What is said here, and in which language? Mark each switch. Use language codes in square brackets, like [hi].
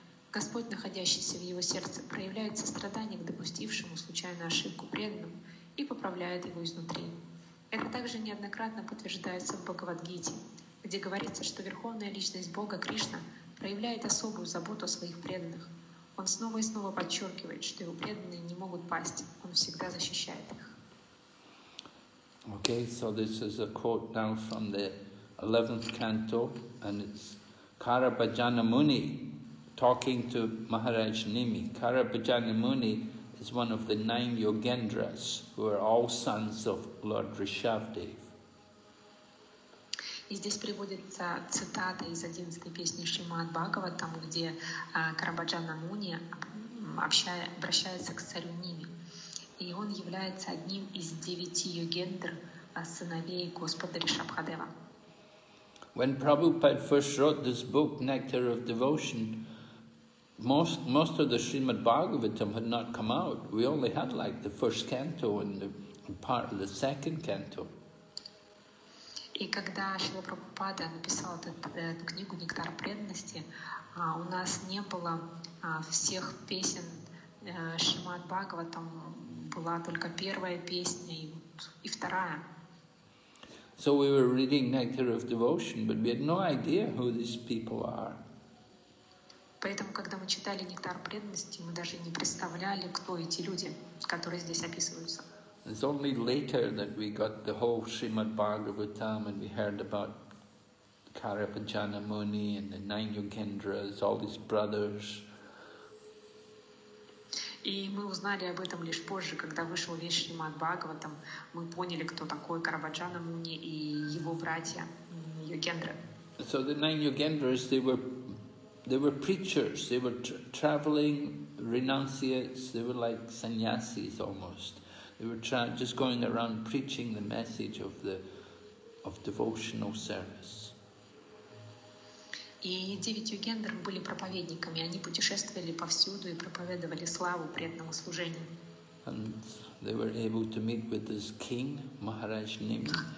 [ru] Господь, находящийся в его сердце, проявляет сострадание к допустившему случайную ошибку преданному и поправляет его изнутри. Это также неоднократно подтверждается в Бхагавад-гите, где говорится, что Верховная Личность Бога Кришна проявляет особую заботу о своих преданных. Он снова и снова подчеркивает, что его преданные не могут пасть, он всегда защищает их. [en] Okay, so this is a quote now from the 11th canto, and it's Karabhajana Muni talking to Maharaj Nimi. Karabhajana Muni is one of the 9 Yogendras, who are all sons of Lord Rishabhdev. [ru] И здесь приводится цитата из 11-й песни Шримад Бхагава, там, где Карабаджана Муни обращается к царю Ниме. И он является одним из 9 йогендр, сыновей Господа Ришабхадева. [en] When Prabhupada first wrote this book, Nectar of Devotion, most of the Srimad Bhagavatam had not come out. We only had like the first canto and the part of the second canto. [ru] И когда Шрила Прабхупада написал эту книгу «Нектар преданности», у нас не было всех песен Шримад Бхагаватам, была только первая песня и вторая. [en] So we were reading Nectar of Devotion, but we had no idea who these people are. [ru] Поэтому, когда мы читали «Нектар преданности», мы даже не представляли, кто эти люди, которые здесь описываются. [en] It's only later that we got the whole Srimad Bhagavatam and we heard about Karabajana Muni and the nine Yogendras, all these brothers. [ru] И мы узнали об этом лишь позже, когда вышел весь Шримад Бхагаватам. Мы поняли, кто такой Карабаджана Муни и его братья Йогендры. [en] So the nine Yogendras, they were preachers. They were traveling renunciates. They were like sannyasis almost. They were just going around preaching the message of devotional service. [ru] И 9 йогендр были проповедниками. Они путешествовали повсюду и проповедовали славу преданному служению. [en] And they were able to meet with this king, Maharaj Nimi.